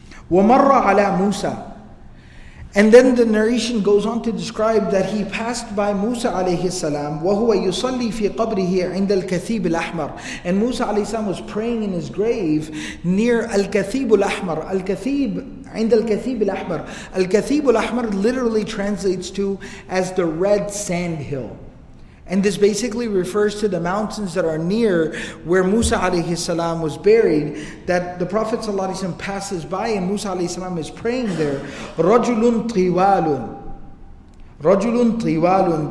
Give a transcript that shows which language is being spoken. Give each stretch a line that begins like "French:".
Arabic: وَمَرَّ عَلَى مُوسَى.
English: And then the narration goes on to describe that he passed by Musa alayhi salam,
Arabic: وَهُوَ يُصَلِّي فِي قَبْرِهِ عِنْدَ الْكَثِيبِ الْأَحْمَرِ.
English: And Musa alayhi salam was praying in his grave near الكثيب الأحمر.
Arabic: الكثيب, عند الكثيب الأحمر.
English: الكثيب الأحمر literally translates to as the red sand hill. And this basically refers to the mountains that are near where Musa alayhi salam was buried, that the Prophet sallallahu alayhi salam passes by and Musa alayhi salam is praying there.
Arabic: Rajulun tiwalun. Rajulun tiwalun.